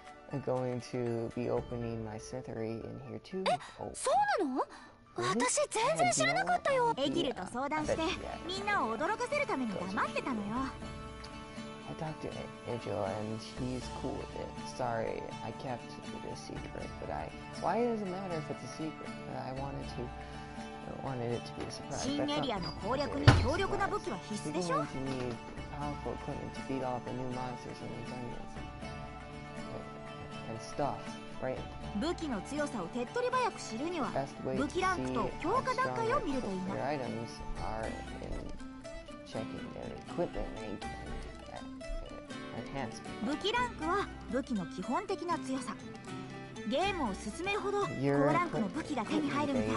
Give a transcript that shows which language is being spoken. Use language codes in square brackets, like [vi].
[en] I'm going to be opening my smithery in here too. [ja] え、そうなの？私全然知らなかったよ。エギルと相談してみんなを驚かせるために黙ってたのよ。 [en] I talked to Angel and he's cool with it. Sorry, I kept it a secret, but I. Why does it matter if it's a secret? But I wanted to. Wanted it to be a surprise. [ja] 新エリアの攻略に強力な武器は必須でしょ。 [en] Powerful equipment to beat off the new monsters and dungeons and stuff, right? [ja] 武器の強さを手っ取り早く知るには、武器ランクと強化段階を見るといいな。 [en] Their items are in checking their equipment rank and enhancement. [ja] 武器ランクは武器の基本的な強さ。ゲームを進めるほど高ランクの武器が手に入るみたい。